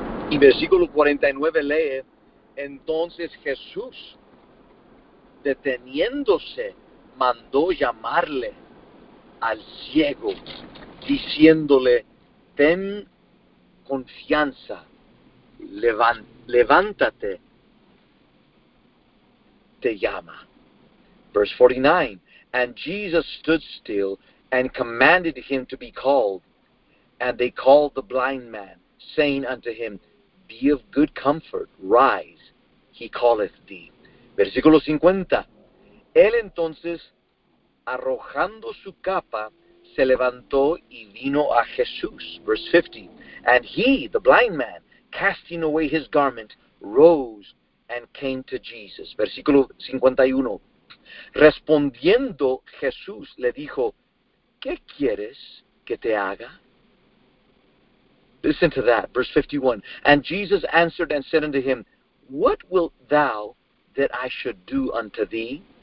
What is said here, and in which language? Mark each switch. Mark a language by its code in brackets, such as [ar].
[es] Y versículo 49 lee, entonces Jesús, deteniéndose, mandó llamarle al ciego, diciéndole, ten confianza, levántate, te llama. [en] Verse 49, and Jesus stood still and commanded him to be called. And they called the blind man, saying unto him, be of good comfort, rise, he calleth thee. [es] Versículo 50. Él entonces, arrojando su capa, se levantó y vino a Jesús. [en] Verse 50. And he, the blind man, casting away his garment, rose and came to Jesus. [es] Versículo 51. Respondiendo Jesús le dijo, ¿qué quieres que te haga? [en] Listen to that, verse 51. And Jesus answered and said unto him, what wilt thou that I should do unto thee?